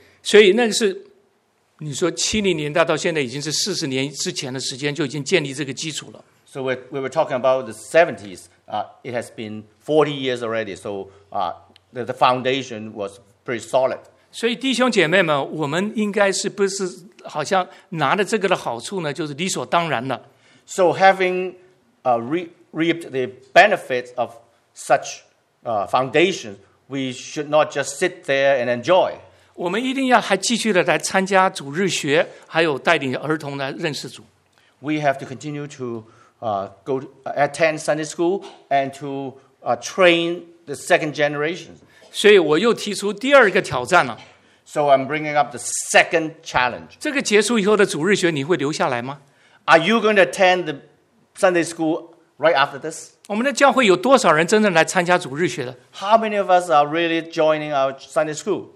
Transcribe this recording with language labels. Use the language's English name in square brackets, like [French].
[Chinese] 所以那个是你说70年代到现在已经是40年之前的时间就已经建立这个基础了。 [English] So we were talking about the 70s. It has been 40 years already. So the foundation was pretty solid. [Chinese] 所以弟兄姐妹们，我们应该是不是好像拿着这个的好处呢？就是理所当然的。 [English] So having reaped the benefits of such foundation. We should not just sit there and enjoy. [Chinese] 我们一定要还继续的来参加主日学，还有带领儿童来认识主。 [English] We have to continue to attend Sunday school and to train the second generation. [Chinese] 所以我又提出第二个挑战了。 [English] So I'm bringing up the second challenge. [Chinese] 这个结束以后的主日学你会留下来吗 [English] ？Are you going to attend the Sunday school right after this? [Chinese] 我们的教会有多少人真正来参加主日学的 [English] ？How many of us are really joining our Sunday school？